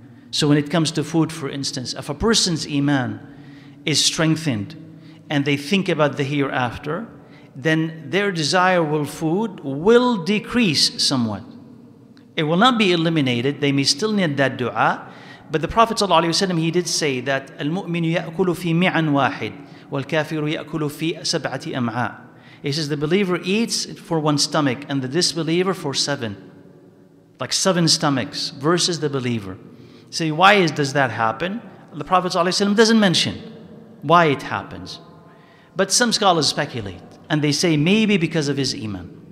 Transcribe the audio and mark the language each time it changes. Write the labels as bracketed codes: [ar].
[en] So when it comes to food, for instance, if a person's iman is strengthened and they think about the hereafter, then their desire for food will decrease somewhat. It will not be eliminated. They may still need that dua. But the Prophet ﷺ, he did say that [ar] المؤمن يأكل في معا واحد والكافر يأكل في سبعة أمعاء. [en] He says the believer eats for one stomach and the disbeliever for seven. Like seven stomachs versus the believer. So why does that happen? The Prophet ﷺ doesn't mention why it happens. But some scholars speculate and they say maybe because of his iman.